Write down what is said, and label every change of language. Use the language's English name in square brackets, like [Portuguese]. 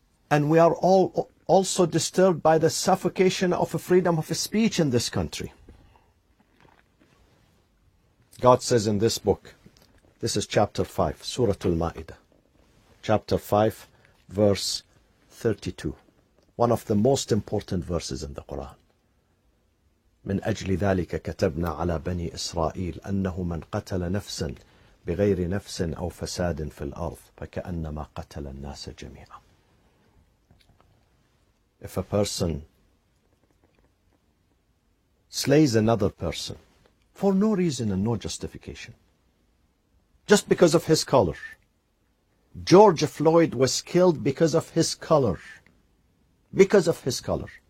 [English] And we are all also disturbed by the suffocation of a freedom of speech in this country. God says in this book, this is chapter 5, Surah Al-Ma'idah, chapter 5, verse 32, one of the most important verses in the Quran. [Arabic] من أجل ذلك كتبنا على بني إسرائيل أنه من قتل نفسا بغير نفس أو فساد في الأرض فكأنما قتل الناس جميعا. [English] If a person slays another person for no reason and no justification, just because of his color. George Floyd was killed because of his color. Because of his color.